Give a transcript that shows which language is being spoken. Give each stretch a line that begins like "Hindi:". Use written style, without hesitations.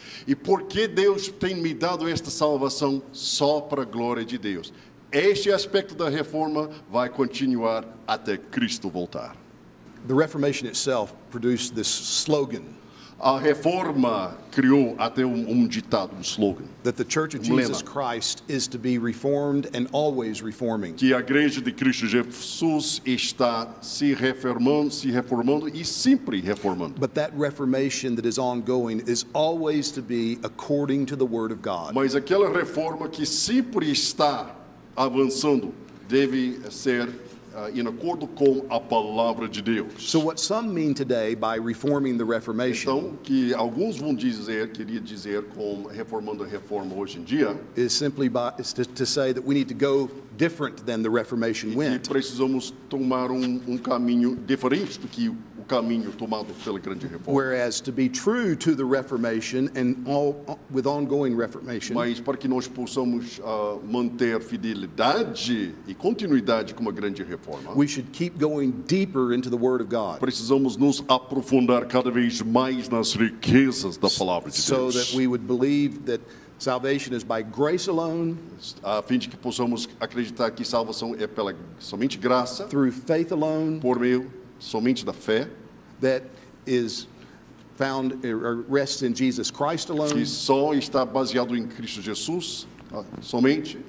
Portuguese: E por que Deus tem me dado esta salvação? Só para a glória de Deus. Este aspecto da reforma vai continuar até Cristo voltar.
English: The Reformation itself produced this slogan.
Portuguese: A reforma criou até um ditado, um slogan.
English: That the Church of Jesus Christ is to be reformed and always reforming.
Portuguese: Que a Igreja de Cristo Jesus está se reformando e sempre reformando.
English: But that reformation that is ongoing is always to be according to the Word of God.
Portuguese: Mas aquela reforma que sempre está avançando deve ser em acordo com a palavra de Deus.
English: So what some mean today by reforming the Reformation,
Portuguese: então, que alguns vão dizer, queria dizer com reformando a reforma hoje em dia,
English: is simply by, is to say that we need to go different than the Reformation went.
Portuguese: E precisamos tomar um caminho diferente do que o caminho tomado pela grande reforma.
English: Whereas to be true to the Reformation and all with ongoing Reformation.
Portuguese: Mas para que nós possamos manter fidelidade e continuidade com a grande reforma,
English: we should keep going deeper into the Word of God.
Portuguese: Precisamos nos aprofundar cada vez mais nas riquezas da palavra de Deus.
English: So that we would believe that salvation is by grace alone,
Portuguese: a fim de que possamos acreditar que salvação é pela somente graça,
English: through faith alone,
Portuguese: por meio somente da fé,
English: that is found or rests in Jesus Christ alone,
Portuguese: que só está baseado em Cristo Jesus somente,